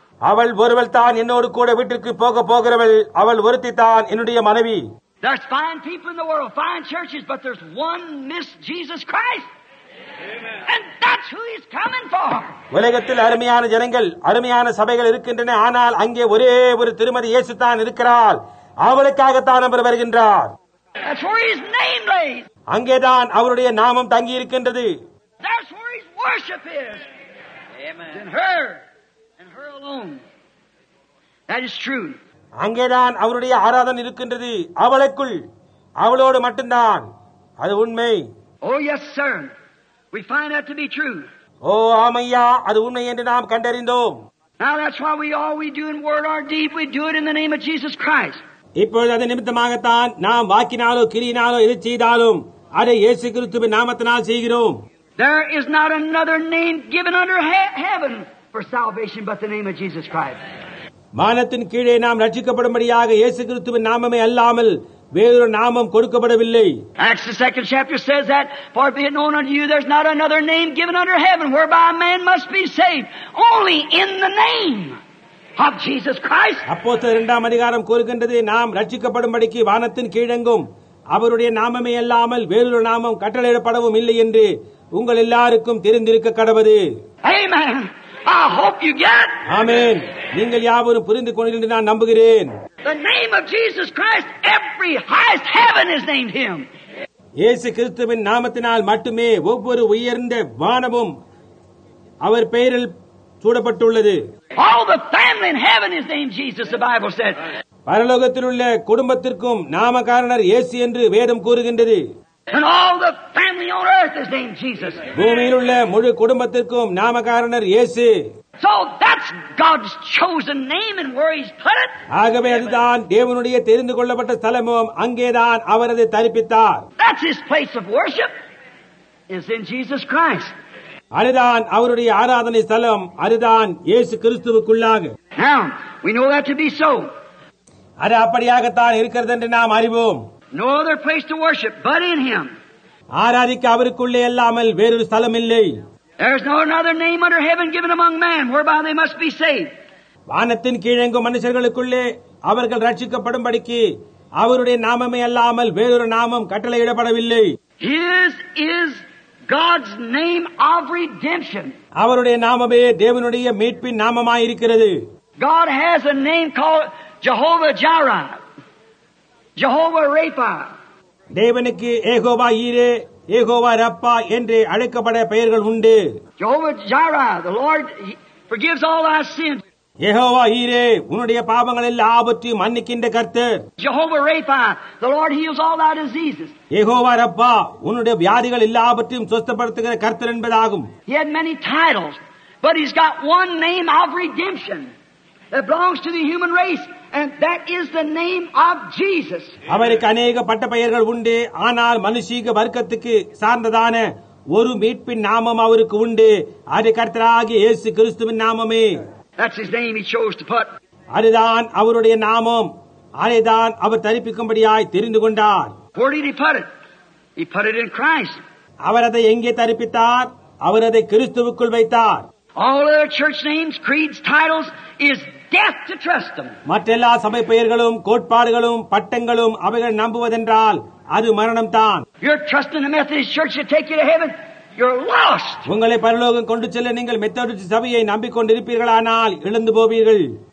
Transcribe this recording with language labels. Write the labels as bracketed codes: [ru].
[ta] அவள் ஒருவள் தான் என்னோடு கூட வீட்டிற்கு போக போகிறவள். அவள் ஒருத்தி தான், என்னுடைய மனைவி. [en] There's fine people in the world, fine churches, but there's one Miss Jesus Christ. And that's who he's coming for. [ta] உலகத்தில் அருமையான ஜனங்கள், அருமையான சபைகள் இருக்கின்றன. ஆனால் அங்கே ஒரே ஒரு திருமதி இயேசு தான் இருக்கிறார். அவளுக்காகத்தான் அவர் வருகின்றார். [en] That's where his name lays. [ta] அங்கேதான் அவருடைய நாமம் தங்கி இருக்கின்றது. [en] That's where his worship is. Amen. And her alone. That is true. [ta] அங்கேதான் அவருடைய ஆராதனை இருக்கின்றது. அவளுக்குள், அவளோடு மட்டும்தான். அது உண்மை. [en] Oh yes, sir. We find that to be true. [ta] ஓ ஆமையா, அது உண்மை என்று நாம் கண்டறிந்தோம். [en] Now that's why all we do in word or deed, we do it in the name of Jesus Christ. [ta] இப்பொழுது அதை நிமித்தமாகத்தான் நாம் வாக்கினாலோ கிரியினாலோ எது செய்தாலும் அதை இயேசு கிறிஸ்துவின் நாமத்தினால் செய்கிறோம். [en] There is not another name given under heaven for salvation but the name of Jesus Christ. [ta] வானத்தின் கீழே நாம் ரட்சிக்கப்படும்படியாக இயேசு கிறிஸ்துவின் நாமமே அல்லாமல் வேறொரு நாமம் கொடுக்கப்படவில்லை. [en] Acts the second chapter says that, for be it known unto you, there's not another name given under heaven whereby a man must be saved, only in the name of Jesus Christ. [ta] அப்போஸ்தலர் இரண்டாம் அதிகாரம் கூறுகின்றது, நாம் ரட்சிக்கப்படும்படிக்கு வானத்தின் கீழெங்கும் அவருடைய நாமமே அல்லாமல் வேறொரு நாமம் கட்டளையிடப்படவும் இல்லை என்று உங்கள் எல்லாருக்கும் தெரிந்திருக்க கடவது. [en] Amen. I hope you get. Amen. [ta] நீங்கள் யாவரும் புரிந்து கொண்டீர்கள் என்று நான் நம்புகிறேன். [en] The name of Jesus Christ, every highest heaven is named him. [ta] இயேசு கிறிஸ்துவின் நாமத்தினால் மட்டுமே ஒவ்வொரு உயர்ந்த வானமும் அவர் பெயரில் சூடப்பட்டுள்ளது. [en] All the family in heaven is named Jesus, the Bible said. [ta] பரலோகத்தில் உள்ள குடும்பத்திற்கும் நாமகாரணர் இயேசு என்று வேதம் கூறுகின்றது. [en] And all the family on earth is named Jesus. [ta] பூமியில் உள்ள முழு குடும்பத்திற்கும் நாமகாரணர் இயேசு. [en] So that's God's chosen name and where he's put it. [ta] ஆகவே அதுதான் தேவனுடைய தெரிந்து கொள்ளப்பட்ட ஸ்தலமும், அங்கேதான் அவர் அதை தரிப்பித்தார். [en] That's his place of worship is in Jesus Christ. [ta] அதுதான் அவருடைய ஆராதனை ஸ்தலம், அதுதான் இயேசு கிறிஸ்துவுக்குள்ளாக. [en] Now we know that to be so. [ta] அது அப்படியாகத்தான் இருக்கிறது என்று நாம் அறிவோம். [en] No other place to worship but in him. [ta] ஆராதிக்க அவருக்குள்ளே அல்லாமல் வேறொரு ஸ்தலம் இல்லை. [en] There is no other name under heaven given among men whereby they must be saved. [ta] வானத்தின் கீழெங்கும் மனுஷர்களுக்குள்ளே அவர்கள் ரட்சிக்கப்படும்படிக்கு அவருடைய நாமமே அல்லாமல் வேறொரு நாமம் கட்டளையிடப்படவில்லை. [en] His is God's name of redemption. [ta] அவருடைய நாமமே தேவனுடைய மீட்பின் நாமமாயிருக்கிறது. [en] God has a name called Jehovah Jireh, Jehovah Rapha. [ta] தேவனுக்கு யெகோவா ஈரே, யெகோவா ரப்பா என்று அழைக்கப்பட பெயர்கள் உண்டு. [en] Jehovah Jireh, the Lord forgives all our sins. [ta] Jehovah ஈரே, உன்னுடைய பாவங்கள் எல்லாவற்றையும் மன்னிக்கின்ற கர்த்தர். [en] Jehovah Rapha, the Lord heals all our diseases. [ta] Jehovah ரப்பா, உன்னுடைய வியாதிகள் எல்லாவற்றையும் சுத்தப்படுத்துகிற கர்த்தர் என்பதாகும். [en] He had many titles, but he's got one name of redemption that belongs to the human race. And that is the name of Jesus. [ta] அவருக்கு அநேக பட்ட பெயர்கள் உண்டு, ஆனால் மனுஷீக வர்க்கத்துக்கு சார்ந்ததான ஒரு மீட்பின் நாமம் அவருக்கு உண்டு. அது கர்த்தராகிய இயேசு கிறிஸ்துவின் நாமமே. [en] That's his name he chose to put. [ta] அதுதான் அவருடைய நாமம். அதுதான் அவர் தரிப்பிக்கும்படியாய் தெரிந்து கொண்டார். [en] Where did he put it? He put it in Christ. [ta] அவர் அதை எங்கே தரிப்பித்தார்? அவர் அதை கிறிஸ்துவுக்குள் வைத்தார். [en] All other church names, creeds, titles is death to trust them. [ta] மற்றெல்லா சபை பெயர்களும் கோட்பாடுகளும் பட்டங்களும் அவைகள் நம்புவதென்றால் அது மரணம் தான். [en] You're trusting the Methodist church to take you to heaven, you're lost. [ta] உங்களை பரலோகம் கொண்டு செல்ல நீங்கள் மெத்தடிஸ்ட் சபையை நம்பிக்கொண்டிருப்பீர்களானால் இழந்து போவீர்கள்.